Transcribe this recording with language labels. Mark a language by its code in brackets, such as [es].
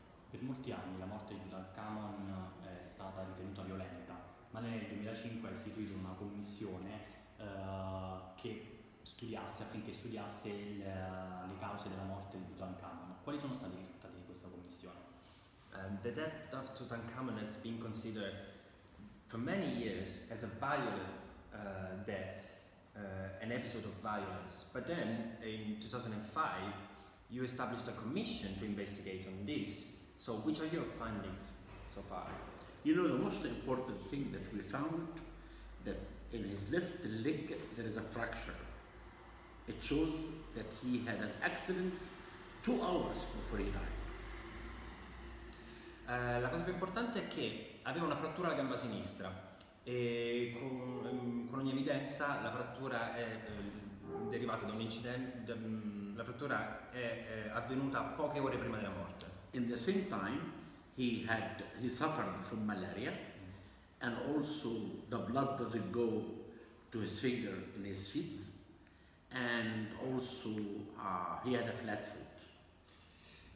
[it] Per molti anni la morte di Tutankhamon è stata ritenuta violenta, ma nel 2005 ha istituito una commissione che studiasse le cause della morte di Tutankhamon. Quali sono stati i risultati di questa commissione? [en] The death of Tutankhamon has been considered for many years as a violent death, an episode of violence. But then in 2005 you established a commission to investigate on this. So which are your findings so far? You know, the most important thing that we found that in his left leg, there is a fracture. It shows that he had an accident 2 hours before he died. [it] La cosa più importante è che aveva una frattura alla gamba sinistra, e con ogni evidenza la frattura è derivata da un incidente. La frattura è avvenuta poche ore prima della morte. [en] In the same time, he suffered from malaria, and also the blood doesn't go to his finger in his feet, and also he had a flat foot.